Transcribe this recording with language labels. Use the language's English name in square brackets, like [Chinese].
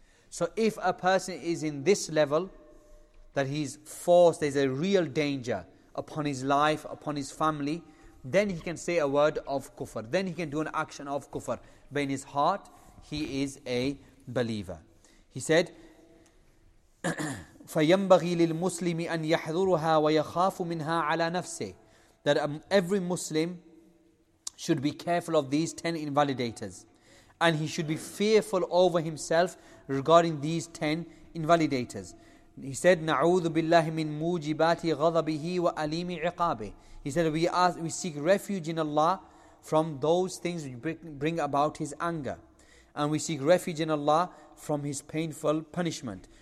[English] So if a person is in this level, that he's forced, there's a real danger upon his life, upon his family, then he can say a word of kufr. Then he can do an action of kufr. But in his heart, he is a believer. He said, [Arabic] فَيَنْبَغِي لِلْمُسْلِمِ أَنْ يَحْذُرُهَا وَيَخَافُ مِنْهَا عَلَى نَفْسِهِ. [English] That every Muslim should be careful of these 10 invalidators. And he should be fearful over himself regarding these 10 invalidators. He said, [Arabic] نَعُوذُ بِاللَّهِ مِنْ مُوجِبَاتِ غَضَبِهِ وَأَلِيمِ عِقَابِهِ. [English] He said, we seek refuge in Allah from those things which bring about His anger. And we seek refuge in Allah from His painful punishment.